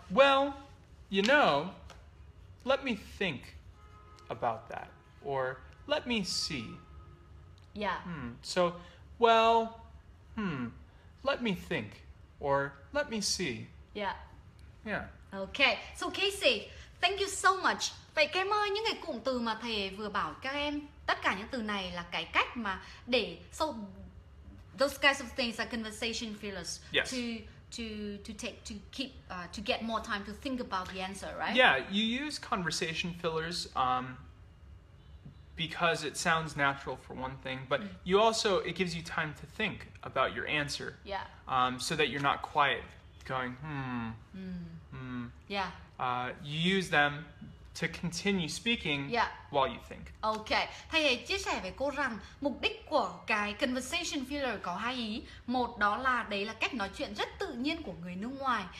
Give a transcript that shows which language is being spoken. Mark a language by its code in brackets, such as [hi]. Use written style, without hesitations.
[en] Well, you know, let me think about that, or let me see. Yeah. Hmm. So, well, let me think, or let me see. Yeah. Yeah. Okay. So, Casey, thank you so much. [vi] Vậy các em ơi, những cái cụm từ mà thầy vừa bảo các em, tất cả những từ này là cái cách mà để [en] so those kinds of things are conversation fillers. Yes. To get more time to think about the answer, right? Yeah, you use conversation fillers because it sounds natural for one thing, but you also, it gives you time to think about your answer. Yeah. So that you're not quiet going, Yeah. You use them to continue speaking while you think. Okay. [vi] Thầy hãy chia sẻ với cô rằng mục đích của cái conversation filler có hai ý. Một đó là đấy là cách nói chuyện rất tự nhiên của người nước ngoài.